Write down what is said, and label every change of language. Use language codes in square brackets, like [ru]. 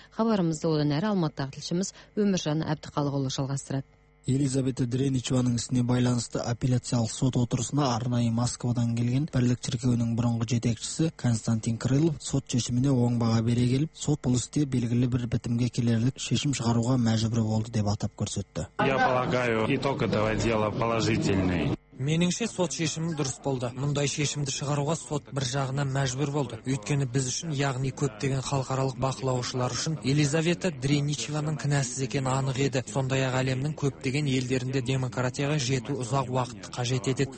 [kk] Хабарымызды одан әрі Алматыдағы тілшіміз Өміржан Әбдіқалықұлы жалғастырады. Елизавета Дренишеваның ісіне байланысты апелляциялық сот отырысына арнайы Москвадан келген Бірлік шіркеуінің бұрынғы жетекшісі Константин Крылов сот шешіміне оң баға бере келіп, сот бұл істе белгілі бір бітімге келерлік шешім шығаруға мәжбүр болды деп атап көрсетті. [ru] Я полагаю, итог этого дела положительный. [kk] Меніңше сот шешімі дұрыс болды. Мұндай шешімді шығаруға сот бір жағынан мәжбүр болды. Өйткені біз үшін, яғни көптеген халықаралық бақылаушылар үшін Елизавета Дренишеваның кінәсіз екені анық еді. Сондай-ақ әлемнің көптеген елдерінде демократияға жету ұзақ уақыт қажет етеді.